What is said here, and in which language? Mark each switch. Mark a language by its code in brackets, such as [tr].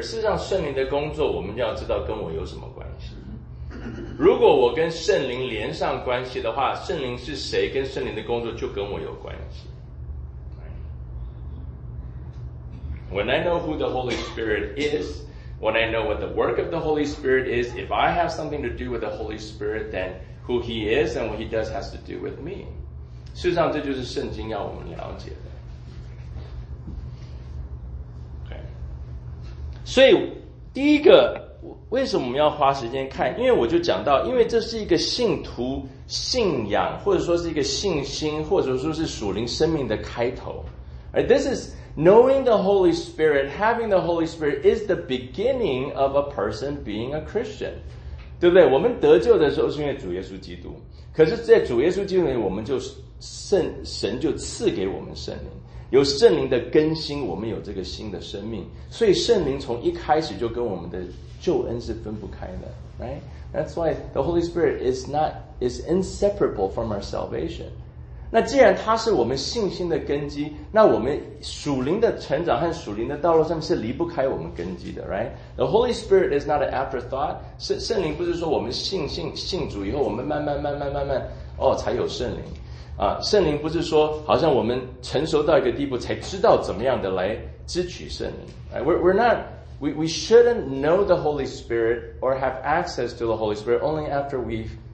[zh] 事实上，圣灵的工作，我们就要知道跟我有什么关系。如果我跟圣灵连上关系的话，圣灵是谁，跟圣灵的工作就跟我有关系。 [en] When I know who the Holy Spirit is. When I know what the work of the Holy Spirit is, if I have something to do with the Holy Spirit, then who He is and what He does has to do with me. [zh] 事实上，这就是圣经要我们了解的。 [en] Okay. [zh] 所以，第一个，为什么我们要花时间看？因为我就讲到，因为这是一个信徒信仰，或者说是一个信心，或者说是属灵生命的开头。 [en] Right, this is knowing the Holy Spirit, having the Holy Spirit is the beginning of a person being a Christian. [zh] 对不对？我们得救的时候是因为主耶稣基督。可是在主耶稣基督里我们就神就赐给我们圣灵。有圣灵的更新我们有这个新的生命。所以圣灵从一开始就跟我们的救恩是分不开的。 [en] Right? That's why the Holy Spirit is inseparable from our salvation. [zh] 那既然它是我们信心的根基，那我们属灵的成长和属灵的道路上面是离不开我们根基的 ，right? [en] The Holy Spirit is not an afterthought. [zh] 圣灵不是说我们信主以后，我们慢慢哦才有圣灵啊。圣灵不是说好像我们成熟到一个地步才知道怎么样的来支取圣灵。 [en] Right? We shouldn't know the Holy Spirit or have access to the Holy Spirit only after we've